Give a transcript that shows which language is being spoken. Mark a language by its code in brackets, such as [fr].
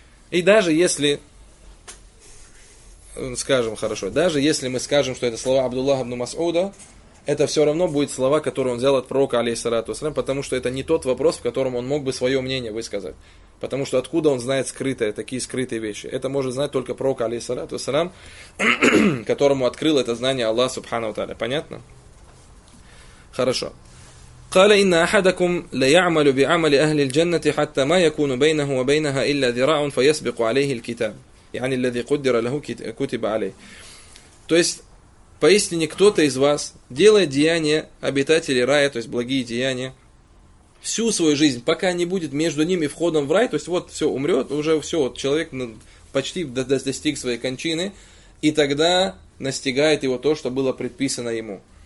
[ru] И даже если, скажем, хорошо, даже если мы скажем, что это слова Абдуллаха ибн Мас'уда, это все равно будет слова, которые он взял от пророка, алейхиссалату вассалям, потому что это не тот вопрос, в котором он мог бы свое мнение высказать. Потому что откуда он знает скрытые, такие скрытые вещи? Это может знать только пророк, алейхиссалату вассалям, которому открыл это знание Аллах, субхана ва тааля. Понятно? Хорошо. [ar] قال إن أحدكم ليعمل بعمل أهل الجنة حتى ما يكون بينه وبينها إلا ذراع فيسبق عليه الكتاب. يعني الذي قدر له كتب عليه. [ru] То есть, поистине, кто-то из вас делает деяния обитателей рая, то есть благие деяния, всю свою жизнь, пока не будет между ними входом в рай, то есть вот все, умрет, уже все, вот человек почти достиг своей кончины, и тогда настигает его то, что было предписано ему.